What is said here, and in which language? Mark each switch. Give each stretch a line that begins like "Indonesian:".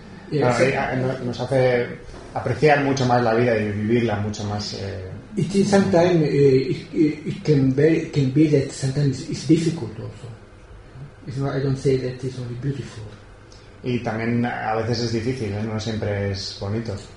Spanish: Nos hace apreciar mucho más la vida y vivirla mucho más.
English: It is sometimes it can be that sometimes it's difficult also. I don't say that it's only beautiful.
Spanish: Y también a veces es difícil, ¿eh? No siempre es bonito.